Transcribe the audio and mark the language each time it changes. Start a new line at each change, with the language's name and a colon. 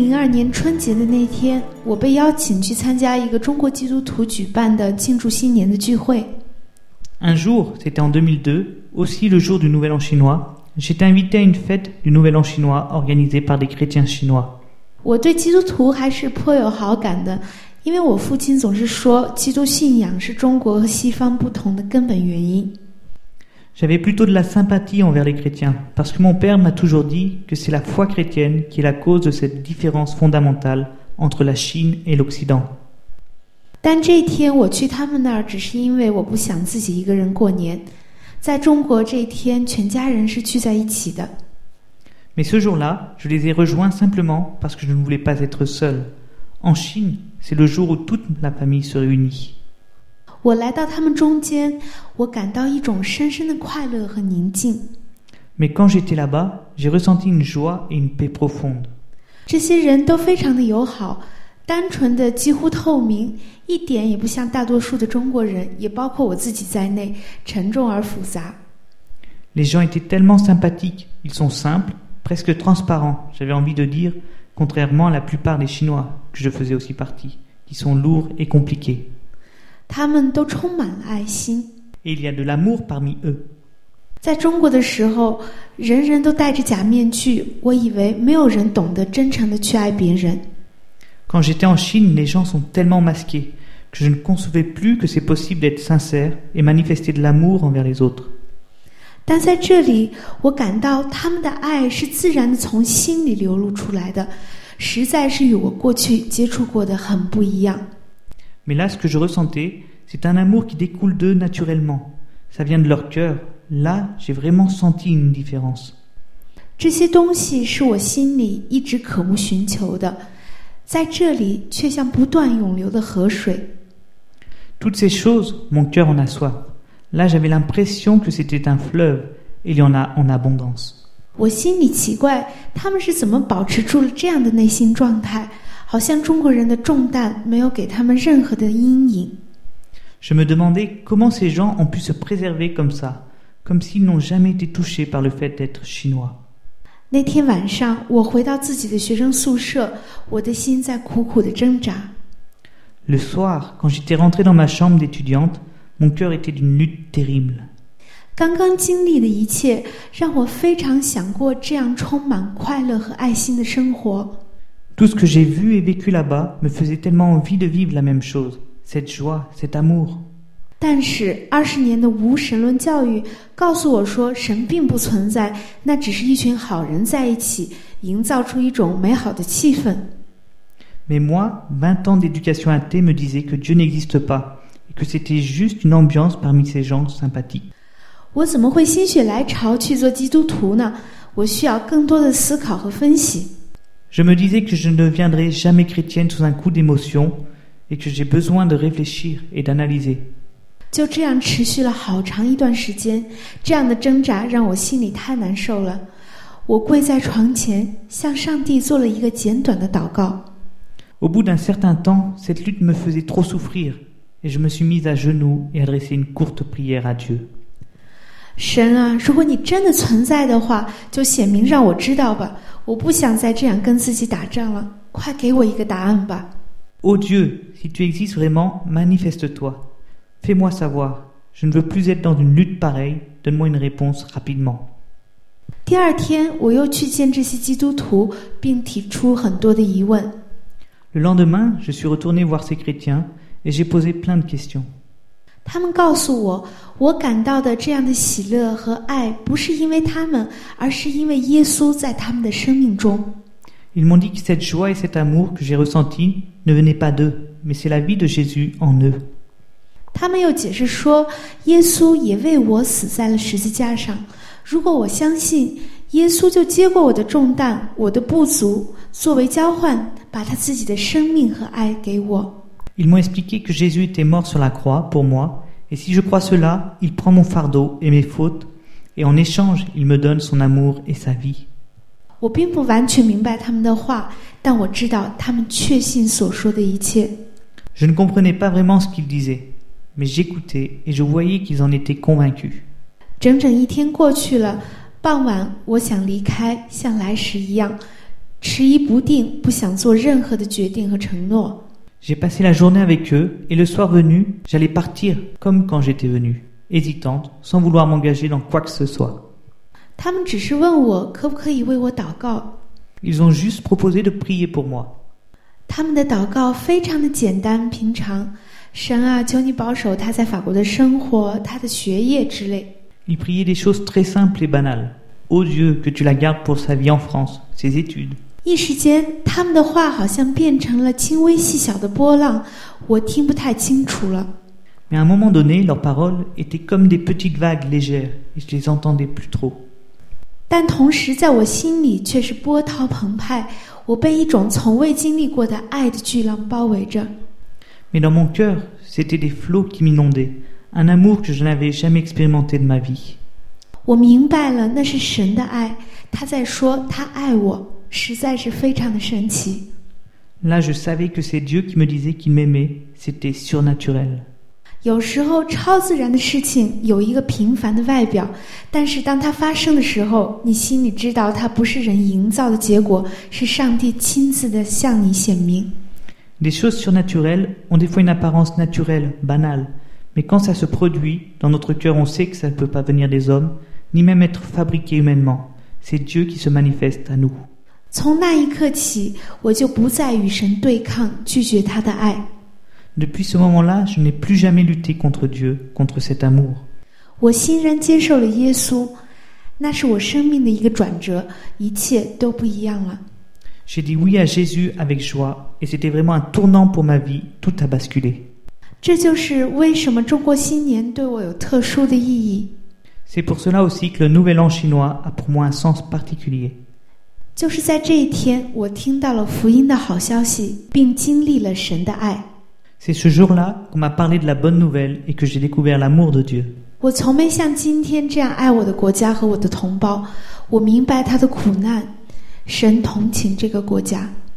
Chinese: 年春节的那天，我被邀请去参加一个中国基督徒举办的庆祝新年的聚会。
French: Un jour, c'était en 2002, aussi le jour du Nouvel An chinois, j'étais invité à une fête du Nouvel An chinois organisée par des chrétiens chinois.
Chinese: 我对基督徒还是颇有好感的，因为我父亲总是说，基督信仰是中国和西方不同的根本原因。
French: J'avais plutôt de la sympathie envers les chrétiens, parce que mon père m'a toujours dit que c'est la foi chrétienne qui est la cause de cette différence fondamentale entre la Chine et l'Occident.
Chinese: 但这一天我去他们那儿只是因为我不想自己一个人过年。在中国这一天全家人是聚在一起的。
French: Mais ce jour-là, je les ai rejoints simplement parce que je ne voulais pas être seul. En Chine, c'est le jour où toute la famille se réunit.
Chinese: 我来到他们中间，我感到一种深深的快乐和宁静。
French: Mais quand j'étais là-bas, j'ai ressenti une joie et une paix profonde.
Chinese: 这些人都非常的友好，单纯的几乎透明，一点也不像大多数的中国人，也包括我自己在内，沉重而复杂。
French: Les gens étaient tellement sympathiques. Ils sont simples, presque transparents. J'avais envie de dire, contrairement à la plupart des Chinois que je faisais aussi partie, qui sont lourds et compliqués.
Chinese: 他们都充满了爱心。
French: Et il y a de l'amour parmi eux.
Chinese: 在中国的时候，人人都戴着假面具，我以为没有人懂得真诚地去爱别人。
French: Quand j'étais en Chine, les gens sont tellement masqués que je ne concevais plus que c'est possible d'être sincère et manifester de l'amour envers les autres.
Chinese: 但在这里，我感到他们的爱是自然地从心里流露出来的，实在是与我过去接触过的很不一样。
French: Mais là, ce que je ressentais, c'est un amour qui découle d'eux naturellement. Ça vient de leur cœur. Là, j'ai vraiment senti une différence.
Chinese: 这些东西是我心里一直渴慕寻求的，在这里却像不断涌流的河水。
French: Toutes ces choses, mon cœur en a soif. Là, j'avais l'impression que c'était un fleuve, et il y en a en abondance.
Chinese: 我心里奇怪，他们是怎么保持住了这样的内心状态？好像中国人的重担没有给他们任何的阴影。
French: Je me demandais comment ces gens ont pu se préserver comme ça, comme s'ils n'ont jamais été touchés par le fait d'être chinois.
Chinese: 那天晚上，我回到自己的学生宿舍，我的心在苦苦的挣扎。
French: Le soir, quand j'étais rentrée dans ma chambre d'étudiante, mon cœur était d'une lutte terrible.
Chinese: 刚刚经历的一切让我非常想过这样充满快乐和爱心的生活。
French: Tout ce que j'ai vu et vécu là-bas me faisait tellement envie de vivre la même chose, cette joie, cet amour.
Chinese: 但是20年的无神论教育告诉我说神并不存在，那只是一群好人在一起，营造出一种美好的气氛。
French: Mais moi, 20 ans d'éducation athée me disait que Dieu n'existe pas, et que c'était juste une ambiance parmi ces gens sympathiques.
Chinese: 我怎么会心血来潮去做基督徒呢？我需要更多的思考和分析。
French: Je me disais que je ne deviendrais jamais chrétienne sous un coup d'émotion et que j'ai besoin de réfléchir et d'analyser.
Chinese: 就这样持续了好长一段时间，这样的挣扎让我心里太难受了。我跪在床前，向上帝做了一个简短的祷告。
French: Au bout d'un certain temps, cette lutte me faisait trop souffrir et je me suis mise à genoux et adressé une courte prière à Dieu.
Chinese: 神啊，如果你真的存在的话，就显明让我知道吧。我不想再这样跟自己打仗了，快给我一个答案吧。
French: Oh Dieu, si tu existes vraiment, manifeste-toi. Fais-moi savoir. Je ne veux plus être dans une lutte pareille. Donne-moi une réponse rapidement.
Chinese: 第二天，我又去见这些基督徒，并提出很多的疑问。
French: Le lendemain, je suis retourné voir ces chrétiens et j'ai posé plein de questions.
Chinese: 他们告诉我，我感到的这样的喜乐和爱不是因为他们，而是因为耶稣在他们的生命中。
French: Ils m'ont dit que cette joie et cet amour que j'ai ressenti ne venaient pas d'eux, mais c'est la vie de Jésus en eux.
Chinese: 他们又解释说，耶稣也为我死在了十字架上。如果我相信，耶稣就接过我的重担，我的不足，作为交换，把他自己的生命和爱给我。
French: Ils m'ont expliqué que Jésus était mort sur la croix pour moi, et si je crois cela, il prend mon fardeau et mes fautes, et en échange, il me donne son amour et sa vie.
Chinese: 我并不完全明白他们的话，但我知道他们确信所说的一切。
French: Je ne comprenais pas vraiment ce qu'ils disaient, mais j'écoutais et je voyais qu'ils en étaient convaincus.
Chinese: 整整一天过去了，傍晚我想离开，像来时一样，迟疑不定，不想做任何的决定和承诺。
French: J'ai passé la journée avec eux et le soir venu, j'allais partir comme quand j'étais venue, hésitante, sans vouloir m'engager dans quoi que ce soit.
Chinese: 他们只是问我可不可以为我祷告。
French: Ils ont juste proposé de prier pour moi.
Chinese: 他们的祷告非常的简单平常，神啊，求你保守他在法国的生活，他的学业之类。
French: Ils priaient des choses très simples et banales. Oh Dieu, que tu la gardes pour sa vie en France, ses études.
Chinese: 一时间他们的话好像变成了轻微细小的波浪，我听不太清楚了。
French: Mais à un moment donné, leurs paroles étaient comme des petites vagues légères, et je les entendais plus trop.
Chinese: 但同时在我心里却是波涛澎湃，我被一种从未经历过的爱的巨浪包围着。
French: Mais dans mon cœur, c'était des flots qui m'inondaient, un amour que je n'avais jamais expérimenté de ma vie.
Chinese: 我明白了，那是神的爱，他在说他爱我，实在是非常的神奇。
French: Là, je savais que c'est Dieu qui me disait qu'il m'aimait, c'était surnaturel.
Chinese: 有时候超自然的事情有一个平凡的外表，但是当它发生的时候，你心里知道它不是人营造的结果，是上帝亲自的向你显明。
French: Les choses surnaturelles ont des fois une apparence naturelle, banale, mais quand ça se produit, dans notre cœur on sait que ça ne peut pas venir des hommes, ni même être fabriqué humainement. C'est Dieu qui se manifeste à nous.
Chinese: 从那一刻起，我就不再与神对抗，拒绝他的爱。
French: Depuis ce moment-là, je n'ai plus jamais lutté contre Dieu, contre cet amour.
Chinese: 我欣然接受了耶稣，那是我生命的一个转折，一切都不一样了。
French: J'ai dit oui à Jésus avec joie, et c'était vraiment un tournant pour ma vie, tout a basculé.
Chinese: 这就是为什么中国新年对我有特殊的意义。
French: C'est pour cela aussi que le nouvel an chinois a pour moi un sens particulier.
Chinese: 就是在这一天，我听到了福音的好消息，并经历了神的爱。
French: C'est ce jour-là qu'on m'a parlé de la bonne nouvelle et que j'ai découvert l'amour de Dieu.
Chinese: 我从没像今天这样爱我的国家和我的同胞，我明白他的苦难，神同情这个国家。